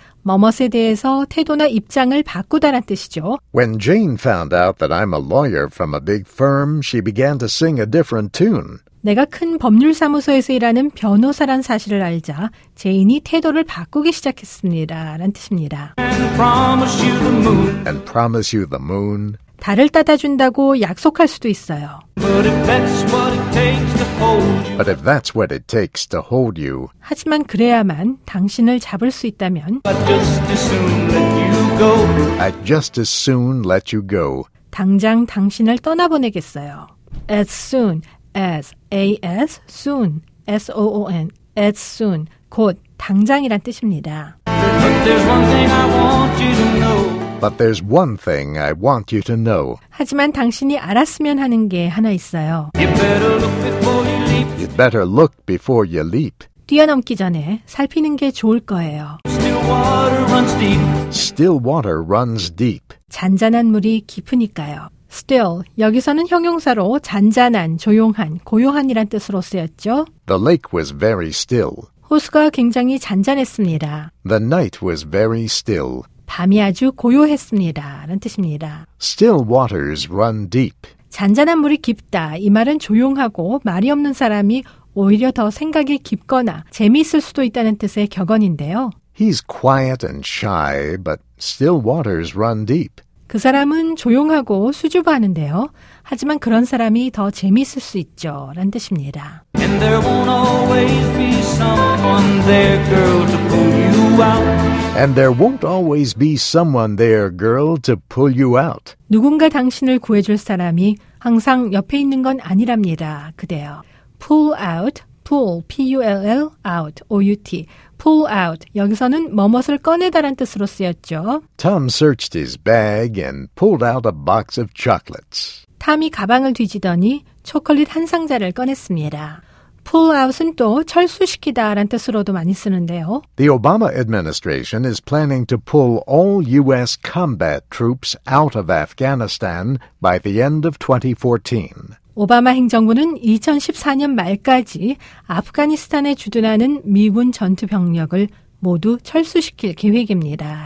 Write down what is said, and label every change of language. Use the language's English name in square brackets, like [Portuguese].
[Korean] 뭐뭇에 대해서 태도나 입장을 바꾸다란 뜻이죠. [English] When Jane found out that I'm a lawyer from a big firm, she began to sing a different tune. [Korean] 내가 큰 법률사무소에서 일하는 변호사란 사실을 알자 제인이 태도를 바꾸기 시작했습니다. 라는 뜻입니다. [English] And promise you the moon. And promise you the moon. [Korean] 달을 따다준다고 약속할 수도 있어요. [English] But if that's what it takes to hold you. But if that's what it takes to hold you. [Korean] 하지만 그래야만 당신을 잡을 수 있다면. [English] I'd just as soon let you go. I'd just as soon let you go. [Korean] 당장 당신을 떠나보내겠어요. [English] As soon as, A-S, soon, S-O-O-N, as soon, [Korean] 곧 당장이란 뜻입니다. [English] But there's one thing I want you to know. But there's one thing I want you to know. [Korean] 하지만 당신이 알았으면 하는 게 하나 있어요. [English] You better look before you leap. You better look before you leap. [Korean] 뛰어넘기 전에 살피는 게 좋을 거예요. [English] Still water runs deep. Still water runs deep. [Korean] 잔잔한 물이 깊으니까요. Still, 여기서는 형용사로 잔잔한, 조용한, 고요한이란 뜻으로 쓰였죠. [English] The lake was very still. [Korean] 호수가 굉장히 잔잔했습니다. [English] The night was very still. [Korean] 밤이 아주 고요했습니다. 라는 뜻입니다. [English] Still waters run deep. [Korean] 잔잔한 물이 깊다. 이 말은 조용하고 말이 없는 사람이 오히려 더 생각이 깊거나 재미있을 수도 있다는 뜻의 격언인데요. [English] He's quiet and shy, but still waters run deep. [Korean] 그 사람은 조용하고 수줍어하는데요. 하지만 그런 사람이 더 재미있을 수 있죠. 라는 뜻입니다. [English] And there won't always be someone there, girl, to pull you out. And there won't always be someone there, girl, to pull you out. [Korean] 누군가 당신을 구해줄 사람이 항상 옆에 있는 건 아니랍니다. 그대요. [English] Pull out, pull, P-U-L-L, out, O-U-T. [Korean] Pull out, 여기서는 뭐뭇을 꺼내다란 뜻으로 쓰였죠. [English] Tom searched his bag and pulled out a box of chocolates. [Korean] 탐이 가방을 뒤지더니 초콜릿 한 상자를 꺼냈습니다. Pull out은 또 철수시키다란 뜻으로도 많이 쓰는데요. [English] The Obama administration is planning to pull all U.S. combat troops out of Afghanistan by the end of 2014. [Korean] 오바마 행정부는 2014년 말까지 아프가니스탄에 주둔하는 미군 전투 병력을 모두 철수시킬 계획입니다.